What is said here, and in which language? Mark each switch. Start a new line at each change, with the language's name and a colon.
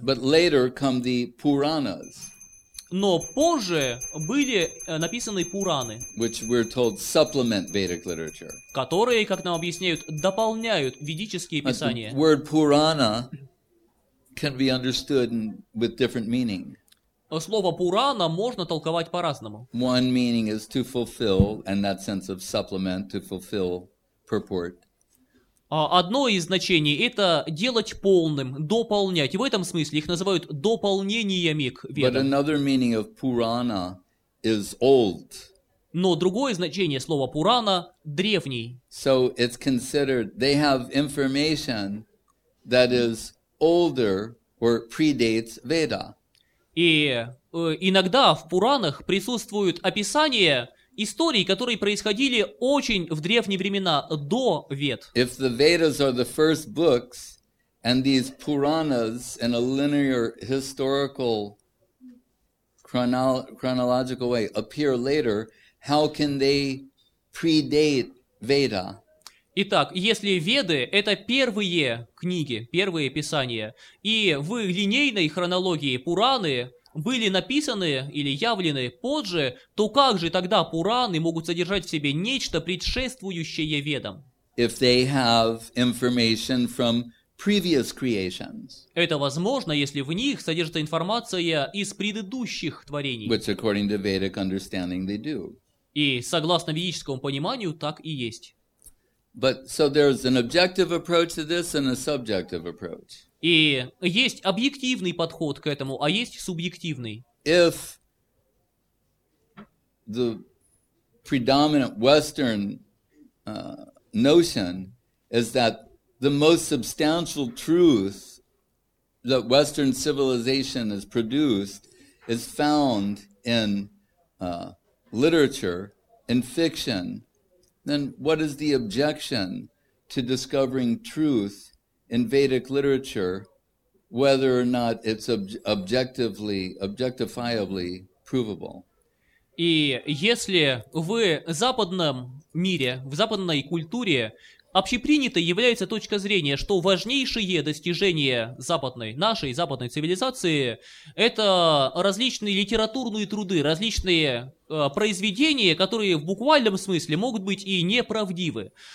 English: But later come the Puranas.
Russian: Но позже были написаны Пураны,
English: which we're told supplement Vedic literature.
Russian: Которые, как нам объясняют, дополняют ведические писания.
English: The word Purana can be understood with different meaning.
Russian: Слово Пурана можно толковать по-разному.
English: One meaning is to fulfill, and that sense of supplement, to fulfill purport.
Russian: Одно из значений – это делать полным, дополнять. И в этом смысле их называют дополнениями к ведам.
English: But another meaning of Purana is old.
Russian: Но другое значение слова Пурана – древний.
English: So it's considered they have information that is older or predates Veda.
Russian: И иногда в Пуранах присутствуют описания истории, которые происходили очень в древние времена, до Вед.
English: If the Vedas are the first books, and these Puranas in a linear historical chronological way appear later, how can they predate Veda?
Russian: Итак, если Веды — это первые книги, первые писания, и в линейной хронологии Пураны были написаны или явлены позже, то как же тогда Пураны могут содержать в себе нечто, предшествующее Ведам?
English: If they have information from previous creations.
Russian: Это возможно, если в них содержится информация из предыдущих творений.
English: Which, according to Vedic understanding, they do.
Russian: И согласно ведическому пониманию, так и есть.
English: But so there's an objective approach to this and a subjective approach.
Russian: И есть объективный подход к этому, а есть субъективный.
English: If the predominant Western notion is that the most substantial truth that Western civilization has produced is found in literature, in fiction, then what is the objection to discovering truth in Vedic literature, whether or not it's objectifiably provable?
Russian: И если в западном мире, в западной культуре общепринятой является точка зрения, что важнейшие достижения западной, нашей западной цивилизации — это различные литературные труды, различные произведения, которые в буквальном смысле могут быть и неправдивы.